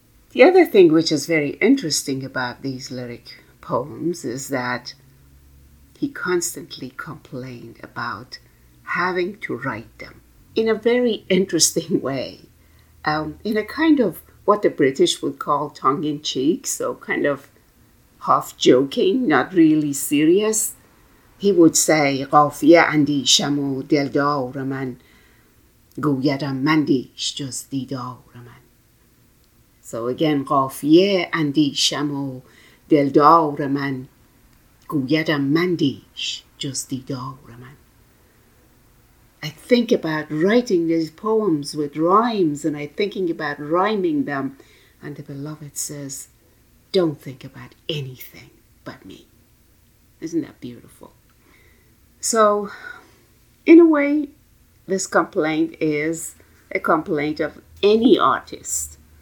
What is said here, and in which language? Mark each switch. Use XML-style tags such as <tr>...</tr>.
<en>The other thing which is very interesting about these lyric poems is that he constantly complained about having to write them in a very interesting way, in a kind of what the British would call tongue-in-cheek, so kind of half-joking, not really serious. He would say,</en> <fa>قافیه اندیشم و دلدار من گویدم مندیش جز دیدار من.</fa> <en>So again,</en> <fa>قافیه اندیشم و دلدار من گویدم مندیش جز دیدار من.</fa> <en>I think about writing these poems with rhymes, and I'm thinking about rhyming them. And the beloved says, don't think about anything but me. Isn't that beautiful? So, in a way, this complaint is a complaint of any artist.</en>